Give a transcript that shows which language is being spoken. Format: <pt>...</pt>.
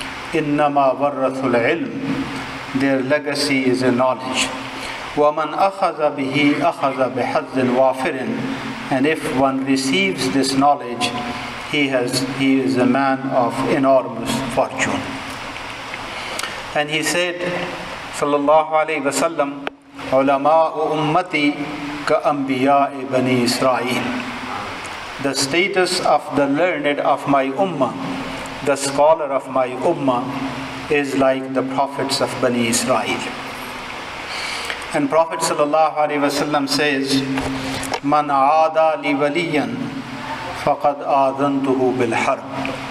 <ar>Innama warathul ilm.</ar> <en>Their legacy is a knowledge.</en> <ar>وَمَنْ أَخَذَ بِهِ أَخَذَ بِحَذِّ الْوَافِرِينَ.</ar> <en>And if one receives this knowledge, he is a man of enormous fortune. And he said,</en> <ar>صلى الله عليه وسلم, علماء أمتي كأنبياء بني إسرائيل.</ar> <en>The status of the learned of my ummah, the scholar of my ummah, is like the prophets of Bani Israel. And Prophet sallallahu alaihi wasallam says,</en> <ar>"Man aada li waliyan, faqad aadantuhu bil harb."</ar>